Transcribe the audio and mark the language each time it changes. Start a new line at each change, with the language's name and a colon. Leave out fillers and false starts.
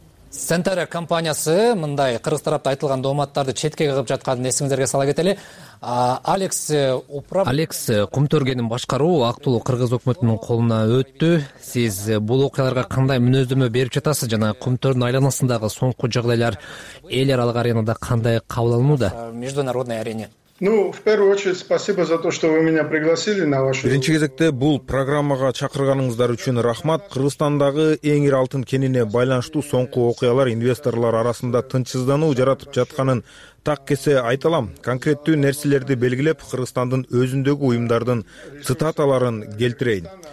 Kyrgyz: Центра компаниясы мындай кыргыз тарапта айтылган дооматтарды четке кыгып жатканын эсиңиздерге сала кетели. Алекс кумтор кенин башкаруу убактылуу кыргыз өкмөтүнүн колуна өттү. Сиз бул окуяларга кандай мүнөздөмө берип жатасыз жана кумтордун айланасындагы соңку жагдайлар эл аралык аренада кандай кабыл алынууда?
Russian: Международной арене. Ну, в первую очередь, спасибо за то, что вы меня пригласили на вашу.
Kyrgyz: Биринчи кезекте бул программага чакырганыңыздар үчүн рахмат. Кыргызстандагы эң ири алтын кенине байланыштуу соңку окуялар инвесторлор арасында тынчсыздануу жаратып жатканын так кесе айта алам. Конкреттүү нерселерди белгилеп, Кыргызстандын өзүндөгү уюмдардын цитаталарын келтирейин.